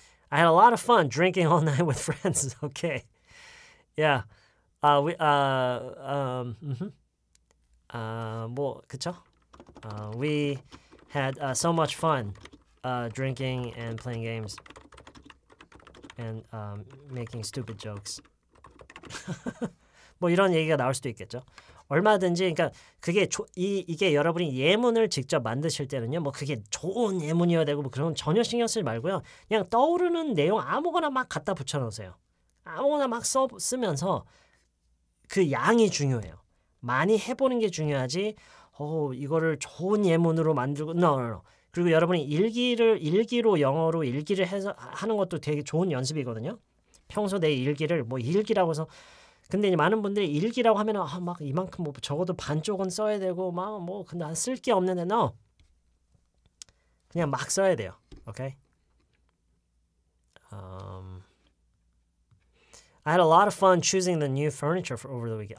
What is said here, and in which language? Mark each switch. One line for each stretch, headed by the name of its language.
English: I had a lot of fun drinking all night with friends. Okay. Yeah. We had so much fun drinking and playing games and making stupid jokes.
Korean: 뭐 이런 얘기가 나올 수도 있겠죠. 얼마든지 그러니까 그게 이게 여러분이 예문을 직접 만드실 때는요. 뭐 그게 좋은 예문이어야 되고 뭐 그런 전혀 신경 쓰지 말고요. 그냥 떠오르는 내용 아무거나 막 갖다 붙여 놓으세요. 아무거나 막 쓰면서 그 양이 중요해요. 많이 해 보는 게 중요하지. 이거를 좋은 예문으로 만들고 no. 그리고 여러분이 일기로 영어로 일기를 해서 하는 것도 되게 좋은 연습이거든요. 평소 내 일기를 뭐 일기라고 해서 근데 이제 많은 분들이 일기라고 하면 아, 막 이만큼 뭐 적어도 반쪽은 써야 되고 막 뭐 근데 안 쓸 게 없는데 너 그냥 막 써야 돼요. 오케이?
English: I had a lot of fun choosing the new furniture for over the weekend.